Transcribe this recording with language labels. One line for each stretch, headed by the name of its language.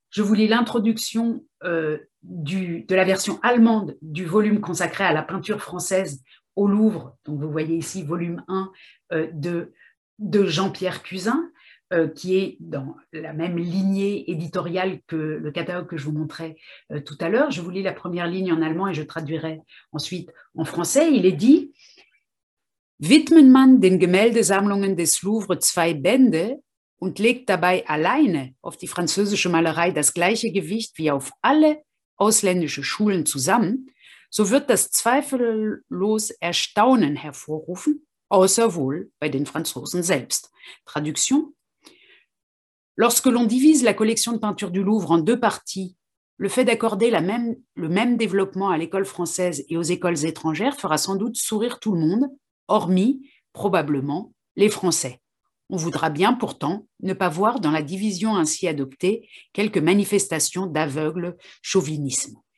French: Je vous lis l'introduction de la version allemande du volume consacré à la peinture française au Louvre, donc vous voyez ici volume 1 de Jean-Pierre Cuzin, qui est dans la même lignée éditoriale que le catalogue que je vous montrais tout à l'heure. Je vous lis la première ligne en allemand et je traduirai ensuite en français. Il est dit
German: « Widmet man den Gemäldesammlungen des Louvre zwei Bände und legt dabei alleine auf die französische Malerei das gleiche Gewicht wie auf alle ausländische Schulen zusammen, so wird das zweifellos Erstaunen hervorrufen, außer wohl bei den Franzosen selbst. »
French: Traduction. Lorsque l'on divise la collection de peinture du Louvre en deux parties, le fait d'accorder le même développement à l'école française et aux écoles étrangères fera sans doute sourire tout le monde, hormis, probablement, les Français. On voudra bien, pourtant, ne pas voir dans la division ainsi adoptée quelques manifestations d'aveugle chauvinisme.